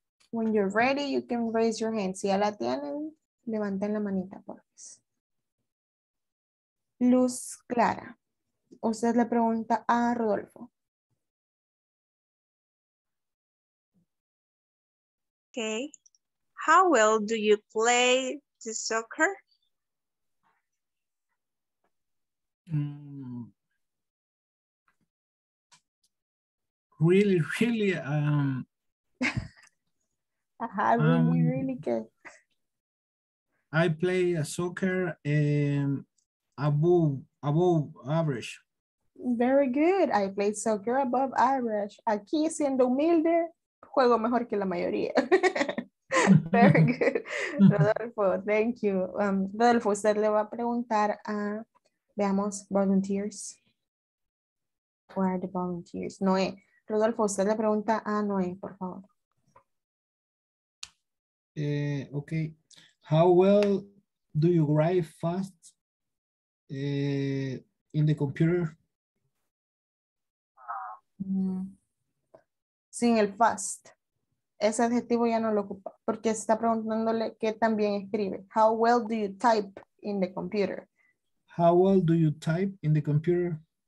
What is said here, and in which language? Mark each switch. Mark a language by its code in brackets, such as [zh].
[en] When you're ready, you can raise your hand. [es] Si ya la tienen, levanten la manita, por favor. Luz Clara, usted le pregunta a Rodolfo. [en] Okay. How well do you play the soccer? Really, really, really good. I play soccer above average. Very good. I play soccer above average. [es] Aquí, siendo humilde, juego mejor que la mayoría. [en] Very good. [es] Rodolfo, [en] thank you. [es] Rodolfo, usted le va a preguntar a, veamos, [en] volunteers. Where are the volunteers? Noé. [es] Rodolfo, usted le pregunta a Noé, por favor. [en] Okay, how well do you write fast in the computer? [es] Sin el fast, ese adjetivo ya no lo ocupa porque está preguntándole qué también escribe. [en] How well do you type in the computer? How well do you type in the computer?